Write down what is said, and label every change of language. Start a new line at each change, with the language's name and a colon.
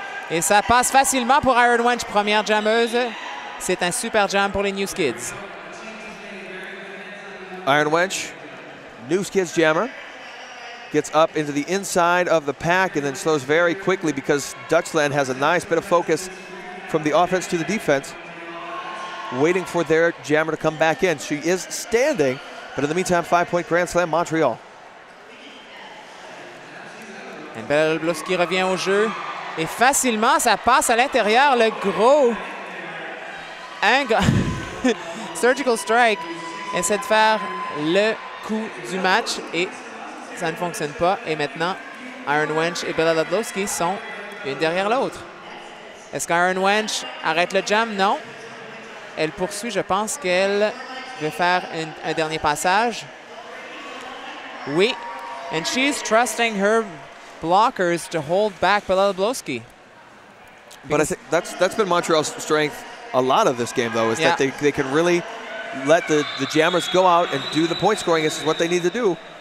French: Et ça passe facilement pour Iron Wench, première jammeuse. C'est un super jam pour les New Kids.
English: Iron Wench, New Kids jammer, gets up into the inside of the pack and then slows very quickly because Dutchland has a nice bit of focus from the offense to the defense, waiting for their jammer to come back in. She is standing, but in the meantime, 5-point Grand Slam Montreal.
French: And Belle Blosky revient au jeu. Et facilement, ça passe à l'intérieur, le gros angle, surgical strike, essaie de faire le coup du match et ça ne fonctionne pas. Et maintenant, Iron Wench et Bella Ludlowski sont une derrière l'autre. Est-ce qu'Iron Wench arrête le jam? Non. Elle poursuit, je pense qu'elle veut faire un dernier passage. Oui.
English: And she's trusting her blockers to hold back Bella Loblowski. But I think that's been Montreal's strength a lot of this game, though, is that they can really let the jammers go out and do the point scoring. This is what they need to do.